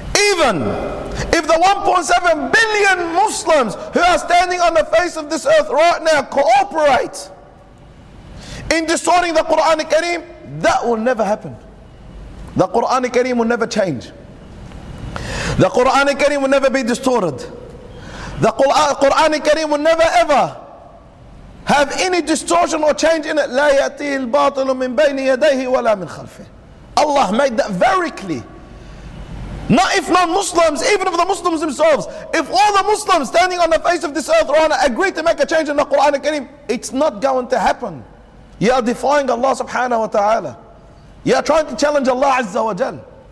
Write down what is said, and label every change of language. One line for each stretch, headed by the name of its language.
English: Even if the 1.7 billion Muslims who are standing on the face of this earth right now cooperate in distorting the Quran al-Kareem, that will never happen. The Quran al-Kareem will never change. The Quran al-Kareem will never be distorted. The Quran al-Kareem will never ever have any distortion or change in it.
Arabic: لا يأتي الباطل من بين يديه ولا من خلفه.
English: Allah made that very clear. Not if non-Muslims, even if the Muslims themselves, if all the Muslims standing on the face of this earth right now agree to make a change in the Quran al-Kareem, it's not going to happen. You are defying Allah subhanahu wa ta'ala. You are trying to challenge Allah azza wa jal.